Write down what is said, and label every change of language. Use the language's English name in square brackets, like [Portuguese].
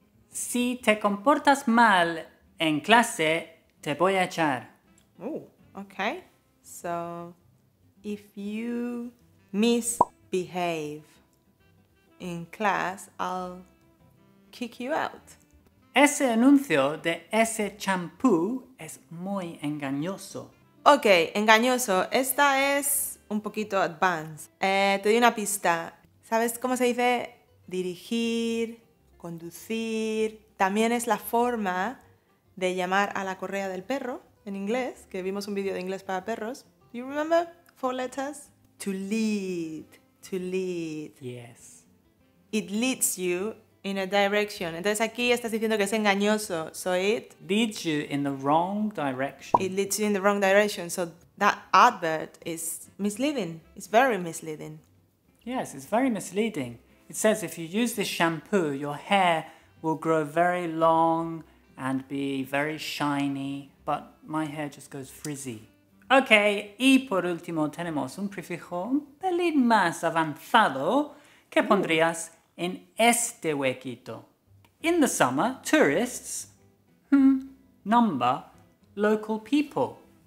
[Spanish] Si te comportas mal en clase, te voy a echar. [English] Oh, okay. So, if you misbehave in class, I'll kick you out. [Spanish] Ese anuncio de ese champú es muy engañoso. Ok, engañoso. Esta es un poquito advanced. Te doy una pista. ¿Sabes cómo se dice dirigir, conducir? También es la forma de llamar a la correa del perro en inglés, que vimos un vídeo de inglés para perros. [English] You remember? Four letters. To lead. To lead. Yes. It leads you in a direction. [Spanish] Entonces aquí estás diciendo que es engañoso. [English] So it leads you in the wrong direction. It leads you in the wrong direction. So that advert is misleading. It's very misleading. Yes, it's very misleading. It says if you use this shampoo, your hair will grow very long and be very shiny. But my hair just goes frizzy. [Spanish] Ok, y por último tenemos un prefijo un pelín más avanzado que pondrías en este huequito. [English] In the summer, tourists number local people.